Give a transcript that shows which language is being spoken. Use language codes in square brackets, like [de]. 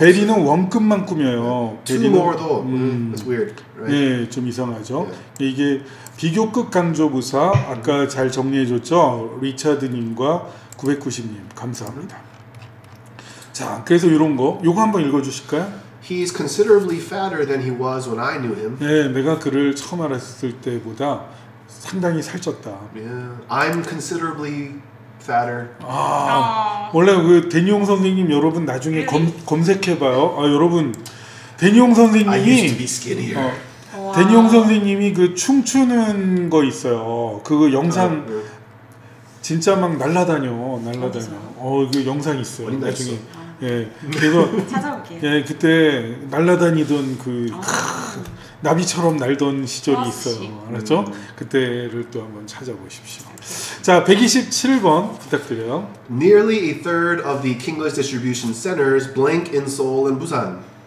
[ko] 베리는 원급만 꾸며요. [en] Yeah. Two more도. That's weird. [ko] 네, right? 예, 좀 이상하죠. Yeah. 이게 비교급 강조부사 아까 잘 정리해줬죠, 리차드님과 990님 감사합니다. 자, 그래서 이런 거, 요거 한번 읽어주실까요? [en] He's considerably fatter than he was when I knew him. [ko] 네, 예, 내가 그를 처음 알았을 때보다. 상당히 살쪘다. [en] Yeah. I'm considerably fatter. [ko] 아, 원래 그 대니용 선생님 여러분 나중에 검색해봐요. 아, 여러분 대니용 선생님이 [en] I used to be skinnier. [ko] 대니용 선생님이 그 춤추는 거 있어요. 그 영상 진짜 막 날라다녀. 그 영상 있어요. 나중에 예, 그래서 찾아볼게요. 예, 그때 날라다니던 그. 나비처럼 날던 시절이 있어요. 알았죠? 그때를 또 한번 찾아보십시오. 자, 127번 부탁드려요. [en] Nearly a third of the Kingless distribution centers blank in Seoul and Busan.